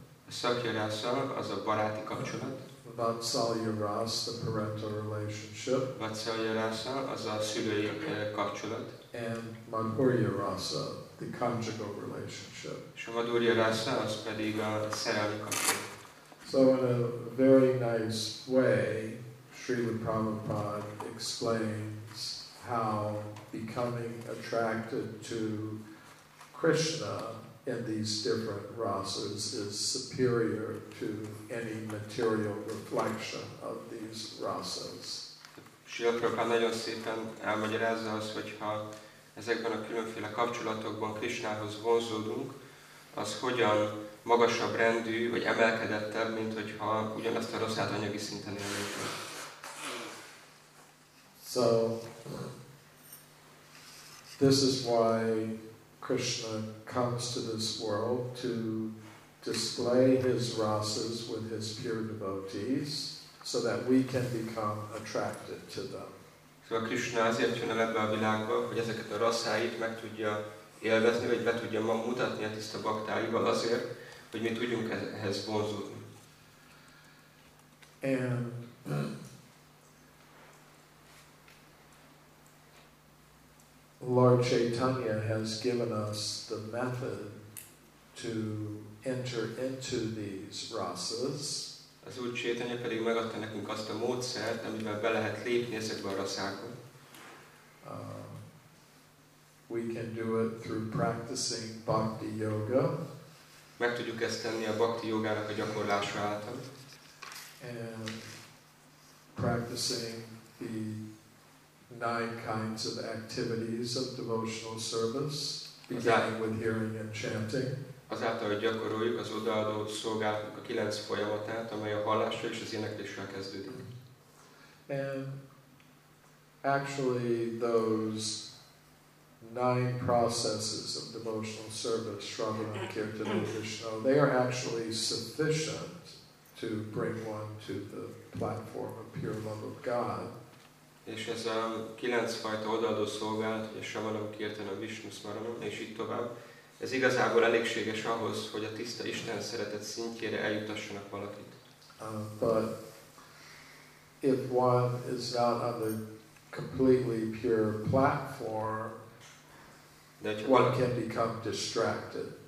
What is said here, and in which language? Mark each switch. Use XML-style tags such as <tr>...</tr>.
<hu>A Sakya rasa, az a baráti kapcsolat.</hu> <en>Vatsalya rasa, the parental relationship.</en> <hu>Vatsalya rasa, az a szülői kapcsolat.</hu> <en>And Madhurya rasa, the conjugal relationship.</en> <hu>És a Madhurya rasa, az pedig a szerelmi kapcsolat.</hu> <en>So in a very nice way, Srila Prabhupada explains how becoming attracted to Krishna in these different rasas is superior to any material reflection of these rasas.</en> <hu>Srila Prabhupada nagyon szépen elmagyarázza azt, hogyha ezekben a különféle kapcsolatokban Krishnához vonzódunk, az hogyan magasabb rendű, vagy emelkedettebb, mint hogyha ugyanazt a rasszát anyagi szinten élnénk.</hu> <en>So, this is why Krishna comes to this world to display his rasas with his pure devotees so that we can become attracted to them.</en> <hu>So Krishna azért jön el ebbe a világba, hogy ezeket a rasszáit meg tudja élvezni, vagy be tudja mutatni a tiszta baktáival azért, hogy mi tudjunk ehhez vonzódni.</hu> <en>And Lord Chaitanya has given us the method to enter into these rasas.</en> <hu>Az Úr Chaitanya pedig megadta nekünk azt a módszert, amivel be lehet lépni ezekbe a rasszákba.</hu> <en>We can do it through practicing bhakti yoga.</en> <hu>Meg tudjuk ezt tenni a bhakti jogának a gyakorlása által.</hu> <en>And practicing the 9 kinds of activities of devotional service, beginning with hearing and chanting.</en> <hu>Azáltal, hogy gyakoroljuk az odaadó szolgálatunk a 9 folyamatát, amely a hallásra és az énekléssel kezdődik.</hu> <en>And actually those 9 processes of devotional service, Shravana, Kirtana, Krishna, they are actually sufficient to bring one to the platform of pure love of God.</en> <hu>És ez a 9 fajta odaadó szolgálat, hogy a Shravana, Kirtana, Vishnu, Smarana, és így tovább, Ez igazából elégséges ahhoz, hogy a tiszta Isten szeretet szintjére eljutassanak valakit.</hu> <en>But if one is not on the completely pure platform, one can become distracted.</en>